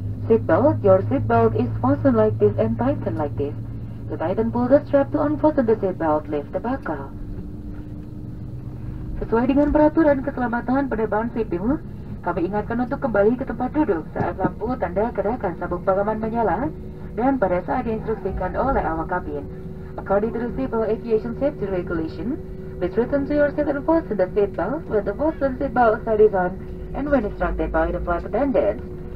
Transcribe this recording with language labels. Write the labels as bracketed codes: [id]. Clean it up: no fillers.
[en] Seatbelt, your seatbelt is fastened like this and tightened like this. To tighten, pull the strap to unfasten the seatbelt, lift the buckle. [id] Sesuai dengan peraturan keselamatan penerbangan sipil, kami ingatkan untuk kembali ke tempat duduk saat lampu tanda gerakan sabuk pengaman menyala dan pada saat diinstruksikan oleh awak kabin. [en] According to the Civil Aviation Safety Regulation, please return to your seat and fasten the seatbelt when the fastened seatbelt sign is on and when instructed by the flight attendants.